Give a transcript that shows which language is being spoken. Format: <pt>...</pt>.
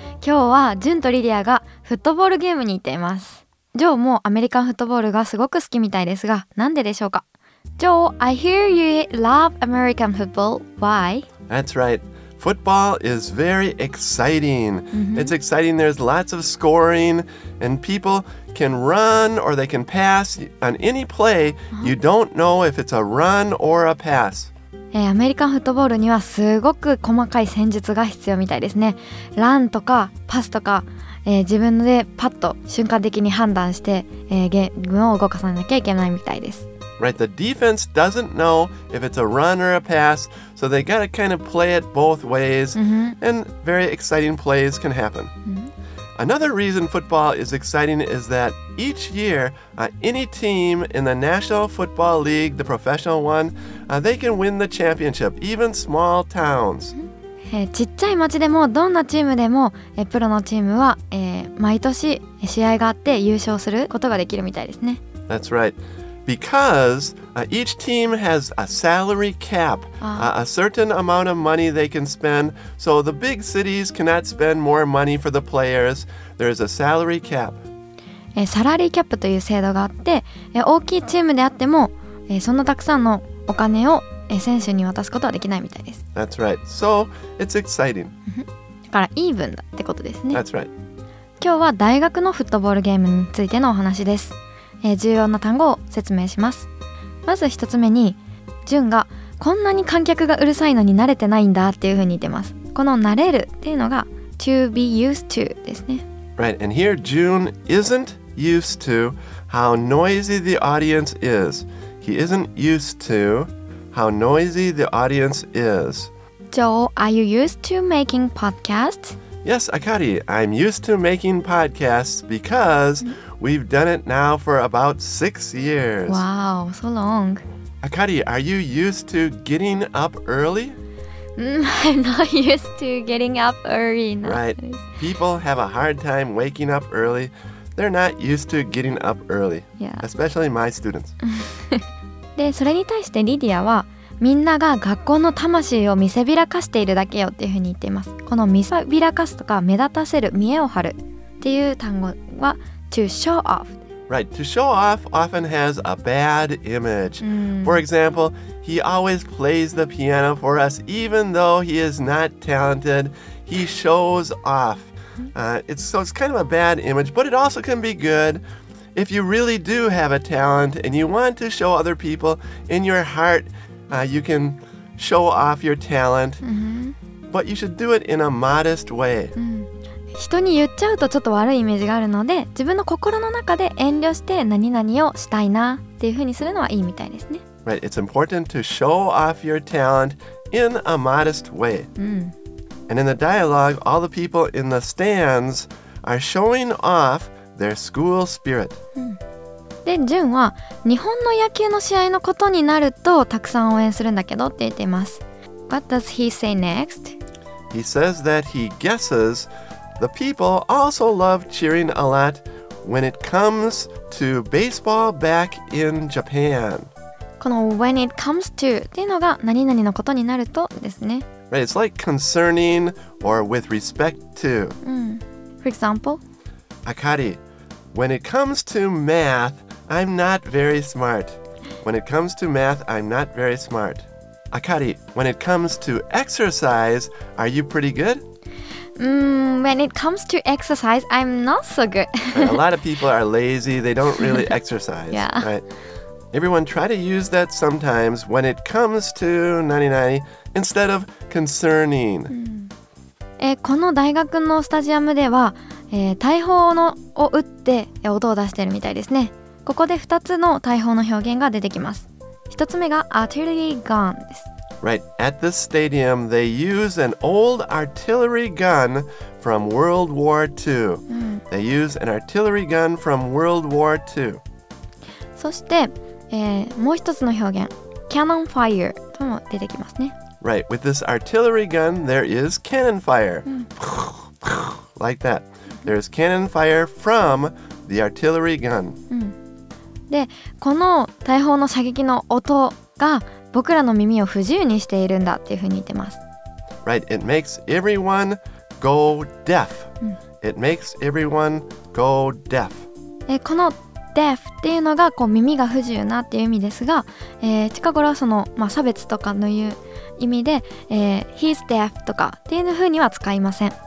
<ja>今日はジュンとリディアがフットボールゲームに行っています。ジョーもアメリカンフットボールがすごく好きみたいですが、なんででしょうか？</ja> <en>ジョー、I hear you love American football. Why? That's right. Football is very exciting. It's exciting. There's lots of scoring and people can run or they can pass on any play. You don't know if it's a run or a pass.</en> <ja>アメリカンフットボールにはすごく細かい戦術が必要みたいですね。ランとかパスとか、自分でパッと瞬間的に判断して、ゲームを動かさなきゃいけないみたいです。</ja> <en>Right, the defense doesn't know if it's a run or a pass, so they gotta kind of play it both ways, and very exciting plays can happen. Another reason football is exciting is that each year, any team in the National Football League, the professional one, they can win the championship, even small towns.</en> <ja>ちっちゃい町でもどんなチームでも、プロのチームは、毎年試合があって優勝することができるみたいですね。</ja> <en>That's right. Because each team has a salary cap, a certain amount of money they can spend. So the big cities cannot spend more money for the players. There is a salary cap.</en> <ja>サラリーキャップという制度があって、大きいチームであっても、そんなたくさんのお金を選手に渡すことはできないみたいです。</ja> <en>That's right. So it's exciting.</en> <ja>だからイーブンだってことですね。</ja> <en>That's right.</en> <ja>今日は大学のフットボールゲームについてのお話です。重要な単語を説明します。まず一つ目に、ジュンがこんなに観客がうるさいのに慣れてないんだっていうふうに言ってます。この慣れるっていうのが</ja> <en>to be used to</en> <ja>ですね。</ja> <en>Right, and here June isn't used to how noisy the audience is. He isn't used to how noisy the audience is. Joe, are you used to making podcasts? Yes, Akari, I'm used to making podcasts becausewe've done it now for about 6 years. Wow, so long. Akari, are you used to getting up early? I'm not used to getting up early. No. Right. People have a hard time waking up early. They're not used to getting up early. Yeah. Especially my students.</en> <ja>で、それに対してリディアは、みんなが学校の魂を見せびらかしているだけよっていうふうに言っています。この見せびらかすとか、目立たせる、見栄を張るっていう単語は、</ja> <en>To show off. Right, to show off often has a bad image. For example, he always plays the piano for us even though he is not talented. He shows off. It's kind of a bad image, but it also can be good. If you really do have a talent and you want to show other people in your heart, you can show off your talent. But you should do it in a modest way. 人に言っちゃうとちょっと悪いイメージがあるので、自分の心の中で遠慮して何々をしたいなっていう風にするのはいいみたいですね。 Right, it's important to show off your talent in a modest way. And in the dialogue, all the people in the stands are showing off their school spirit.</en> <ja>で、ジュンは日本の野球の試合のことになるとたくさん応援するんだけどって言っています。</ja> <en>What does he say next? He says that he guesses the people also love cheering a lot when it comes to baseball back in Japan.</en> <ja>この</ja> <en>when it comes to</en> <ja>っていうのが何々のことになるとですね。</ja> <en>Right, it's like concerning or with respect to. For example? Akari, when it comes to math, I'm not very smart. When it comes to math, I'm not very smart. Akari, when it comes to exercise, are you pretty good? When it comes to exercise, I'm not so good. A lot of people are lazy. They don't really exercise. Yeah. Right? Everyone try to use that sometimes when it comes to 90-90 instead of concerning.</en> <ja>この大学のスタジアムでは、大砲のを打って音を出してるみたいですね。ここで2つの大砲の表現が出てきます。1つ目が artillery gun です。</ja> <en>Right, at this stadium, they use an old artillery gun from World War II. They use an artillery gun from World War II.</en> <ja>そして、もう一つの表現、cannon fire とも出てきますね。</ja> <en>Right, with this artillery gun, there is cannon fire.、うん、like that. There is cannon fire from the artillery gun.、</en> <ja>うん、で、この大砲の射撃の音が僕らの耳を不自由にしているんだっていうふうに言ってます。</ja> <en>Right, it makes everyone go deaf.、うん、it makes everyone go deaf.</en> <ja>このDeaf っていうのがこう耳が不自由なっていう意味ですが、近頃はその、まあ、差別とかのいう意味で、</ja> <en>He's deaf</en> <ja>とかっていう風には使いません。</ja>